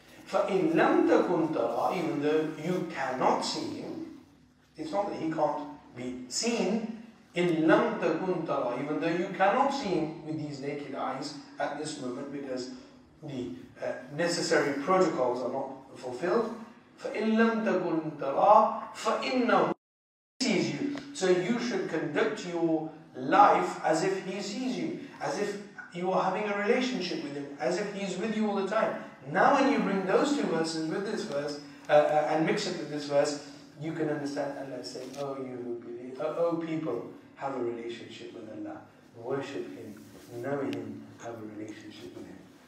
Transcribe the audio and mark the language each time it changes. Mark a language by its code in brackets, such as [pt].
[ar] فَإِن لَمْ تَكُنْ تَرَاهُ, [en] even though you cannot see Him, it's not that He can't be seen, [ar] إِن لَمْ تَكُنْ تَرَاهُ, [en] even though you cannot see Him with these naked eyes at this moment because the necessary protocols are not fulfilled. [ar] فَإِن لَمْ تَكُنْ تَرَاهُ فَإِنَّهُ [en] sees you. So you should conduct your life as if He sees you, as if you are having a relationship with Him, as if He is with you all the time. Now when you bring those two verses with this verse and mix it with this verse, you can understand Allah saying, oh you who believe, oh people, have a relationship with Allah, worship Him, know Him, have a relationship with Him.